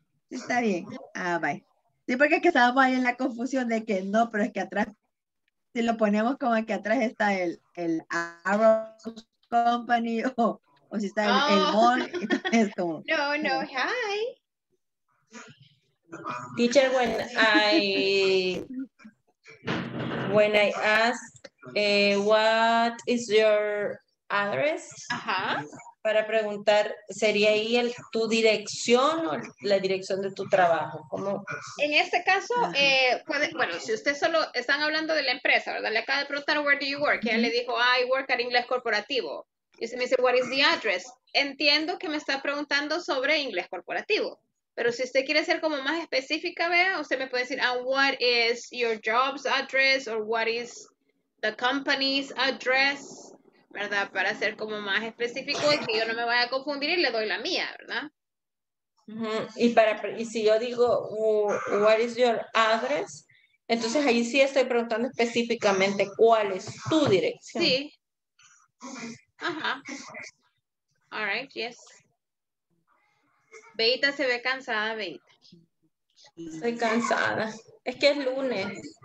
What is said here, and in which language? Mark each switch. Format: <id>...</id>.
<es>Está bien. Ah, bye. Sí, porque es que estábamos ahí en la confusión de que no, pero es que atrás, si lo ponemos como que atrás está el Arrow Company o si está el mall, es como. No, no, hi.</es> <en>Teacher, when I ask what is your address?</en> <es>Ajá. Para preguntar, ¿sería ahí tu dirección o la dirección de tu trabajo? ¿Cómo? En este caso, puede, bueno, si usted solo, están hablando de la empresa, ¿verdad? Le acaba de preguntar,</es> <en>where do you work?</en> <es>Y él le dijo,</es> <en>I work at Inglés Corporativo.</en> <es>Y usted me dice,</es> <en>what is the address?</en> <es>Entiendo que me está preguntando sobre Inglés Corporativo. Pero si usted quiere ser como más específica, vea, usted me puede decir,</es> <en>what is your job's address? Or what is the company's address? ¿Verdad?</en> <es>Para ser como más específico y que yo no me vaya a confundir y le doy la mía, ¿verdad? Uh-huh. Y si yo digo,</es> <en>what is your address?</en> <es>Entonces ahí sí estoy preguntando específicamente cuál es tu dirección. Sí. Ajá. Uh-huh. All right, yes. Beita se ve cansada, Beita. Estoy cansada. Es que es lunes.</es>